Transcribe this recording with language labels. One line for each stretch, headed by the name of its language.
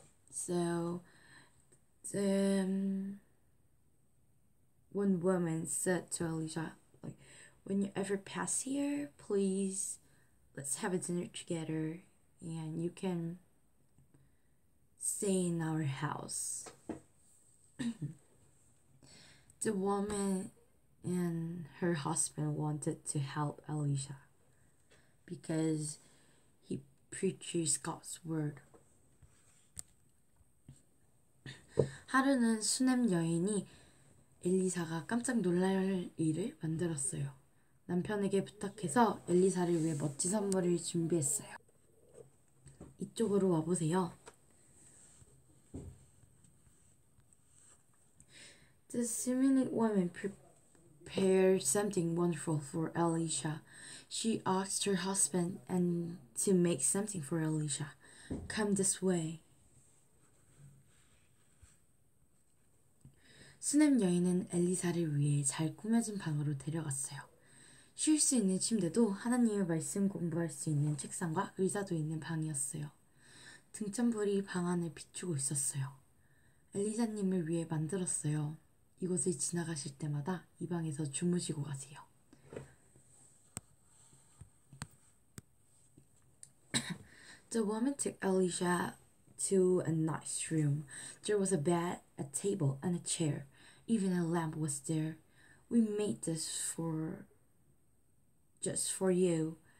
English: So, the one woman said to Elisha, like, when you ever pass here, please, let's have a dinner together, and you can stay in our house. The woman and her husband wanted to help Elisha because he preaches God's word.
Korean: 하루는 수넴 여인이 엘리사가 깜짝 놀랄 일을 만들었어요. 남편에게 부탁해서 엘리사를 위해 멋진 선물을 준비했어요. 이쪽으로 와보세요.
English: The Shunammite woman prepared something wonderful for Elisha. She asked her husband and to make something for Elisha. Come this way.
Korean: 수넴 여인은 엘리사를 위해 잘 꾸며진 방으로 데려갔어요. 쉴 수 있는 침대도 하나님의 말씀 공부할 수 있는 책상과 의자도 있는 방이었어요. 등찬불이 방 안을 비추고 있었어요. 엘리사님을 위해 만들었어요. 이곳을 지나가실 때마다 이 방에서 주무시고 가세요.
English: The woman took Elisha to a nice room. There was a bed, a table, and a chair. Even a lamp was there. We made this just for you.